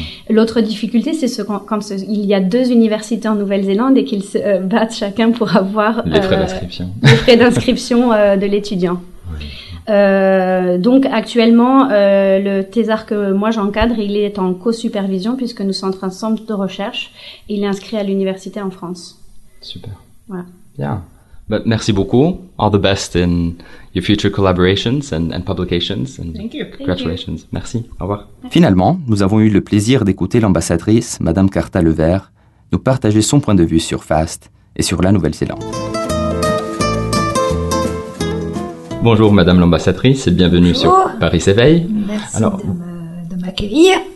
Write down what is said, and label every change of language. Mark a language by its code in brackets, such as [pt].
[fr] L'autre difficulté, c'est quand il y a deux universités en Nouvelle-Zélande et qu'ils se battent chacun pour avoir les frais d'inscription de l'étudiant. Oui. Donc actuellement, le thésar que moi j'encadre, il est en co-supervision puisque nous sommes un centre de recherche et il est inscrit à l'université en France. Super. Voilà. Bien. Yeah. Merci beaucoup. [en] All the best in your future collaborations and publications. And thank you. Congratulations. Thank you. [fr] Merci. Au revoir. Merci. Finalement, nous avons eu le plaisir d'écouter l'ambassadrice, Madame Carta Levert, nous partager son point de vue sur FAST et sur la Nouvelle-Zélande. Bonjour Madame l'Ambassadrice et bienvenue Bonjour. Sur Paris S'éveille. Merci de m'accueillir.